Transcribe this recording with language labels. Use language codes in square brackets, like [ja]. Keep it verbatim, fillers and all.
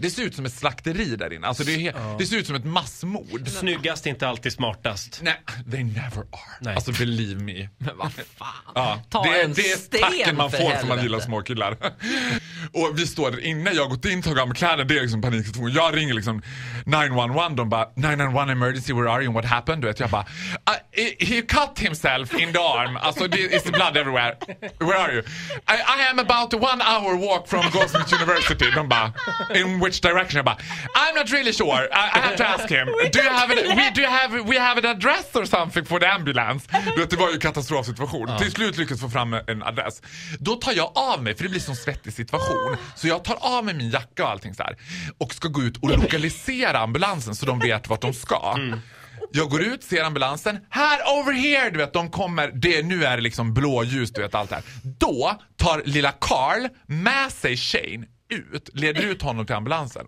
[sv] Det ser ut som ett slakteri där inne. Alltså det, he- oh. det ser ut som ett massmord. Snyggast, inte alltid smartast. Nej, [en] they never are. [sv] Nej. Alltså [en] believe me. [sv] Men vad fan. Ja, Ta det, en det är sten tacken man för får helvete. För man gillar småkillar. Och vi står där inne, jag har gått in, tagit av mig kläder. Det är liksom paniksituation. Jag ringer liksom [en] nine one one. [sv] De bara, [en] nine one one emergency, where are you and what happened? [sv] Du vet, jag bara, [en] he cut himself in the arm. [sv] Alltså, [en] it's blood everywhere. Where are you? I, I am about a one hour walk from Goldsmiths University. [sv] De bara, [en] in which direction? [sv] Jag bara, [en] I'm not really sure. I, I have to ask him. Do you have an, we, do you have, we have an address or something for the ambulance? [sv] Du vet, det var ju en katastrofsituation. Ja. Till slut lyckas få fram en adress. Då tar jag av mig, för det blir som svettig situation. Så jag tar av mig min jacka och allting så här. Och ska gå ut och lokalisera ambulansen så de vet vart de ska. Mm. Jag går ut, ser ambulansen. Här, [en] over here, [sv] du vet, de kommer. Det, nu är det liksom blåljus, du vet, allt här. Då tar lilla Carl med sig Shane ut, leder ut honom till ambulansen.